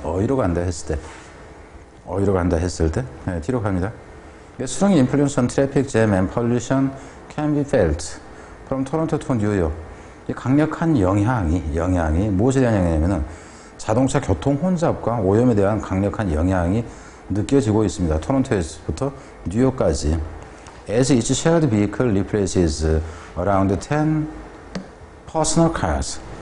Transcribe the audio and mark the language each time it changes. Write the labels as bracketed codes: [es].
[ko] 어디로 간다 했을 때, 네, 뒤로 갑니다. [en] The strong influence on traffic jam and pollution can be felt from Toronto to New York. [ko] 이 강력한 영향이 무엇에 대한 영향이냐면은 자동차 교통 혼잡과 오염에 대한 강력한 영향이 느껴지고 있습니다. 토론토에서부터 뉴욕까지. [en] As each shared vehicle replaces around 10 personal cars.